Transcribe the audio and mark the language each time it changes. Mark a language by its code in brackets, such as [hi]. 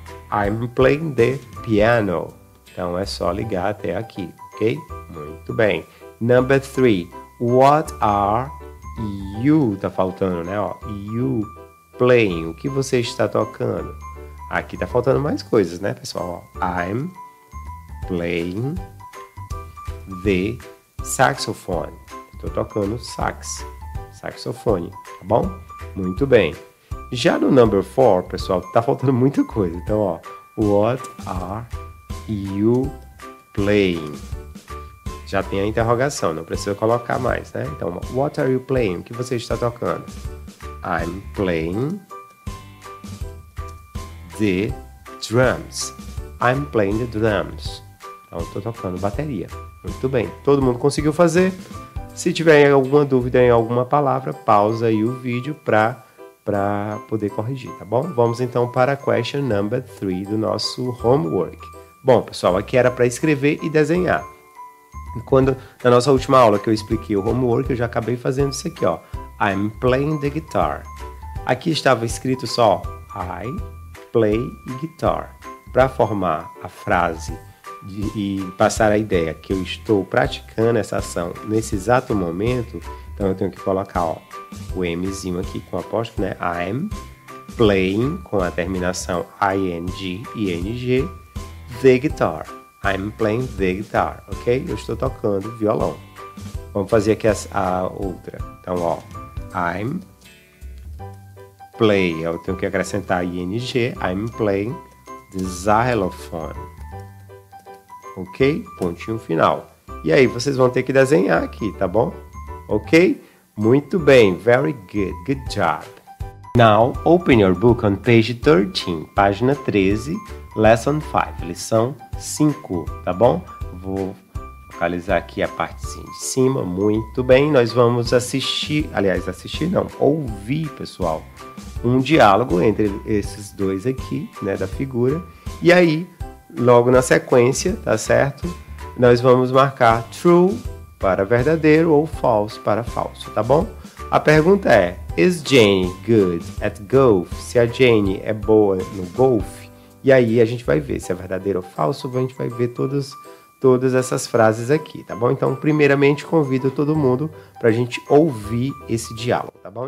[en] I'm playing the piano. [pt] Então, é só ligar até aqui, ok? Muito bem. [en] Number three. What are you... [pt] Tá faltando, né? Ó, [en] you playing. [pt] O que você está tocando? Aqui tá faltando mais coisas, né, pessoal? [en] Ó, I'm playing the saxophone. [pt] estou tocando sax, saxofone, tá bom? Muito bem. Já no number 4, pessoal, tá faltando muita coisa. [en] Então, ó, what are you playing? [pt] Já tem a interrogação, não precisa colocar mais, né? [en] Então, what are you playing? [pt] O que você está tocando? [en] I'm playing the drums. I'm playing the drums. [pt] Então, estou tocando bateria. Muito bem. Todo mundo conseguiu fazer? Se tiver alguma dúvida em alguma palavra, pausa aí o vídeo para poder corrigir, tá bom? Vamos então para a question number 3 do nosso homework. Bom, pessoal, aqui era para escrever e desenhar. Quando, na nossa última aula que eu expliquei o homework, eu já acabei fazendo isso aqui, ó. [en] I'm playing the guitar. [pt] Aqui estava escrito só [en] I play guitar. [pt] Para formar a frase e passar a ideia que eu estou praticando essa ação nesse exato momento, então eu tenho que colocar, ó, o Mzinho aqui com apóstrofe, né? [en] I'm playing [pt] com a terminação [en] ing, ing, the guitar. I'm playing the guitar, ok? [pt] Eu estou tocando violão. Vamos fazer aqui a outra. [en] Então, ó, I'm playing. [pt] Eu tenho que acrescentar ing. [en] I'm playing the xylophone. [pt] Ok? Pontinho final. E aí, vocês vão ter que desenhar aqui, tá bom? [en] Ok? [pt] Muito bem. [en] Very good. Good job. Now, open your book on page 13. [pt] Página 13, [en] lesson 5. [pt] Lição 5, tá bom? Vou focalizar aqui a partezinha de cima. Muito bem, nós vamos assistir, aliás, assistir não, ouvir, pessoal, um diálogo entre esses dois aqui, né, da figura. E aí, logo na sequência, tá certo? Nós vamos marcar true para verdadeiro ou false para falso, tá bom? A pergunta é, [en] is Jane good at golf? [pt] Se a Jane é boa no golfe? E aí a gente vai ver se é verdadeiro ou falso, a gente vai ver todas essas frases aqui, tá bom? Então, primeiramente, convido todo mundo para a gente ouvir esse diálogo, tá bom?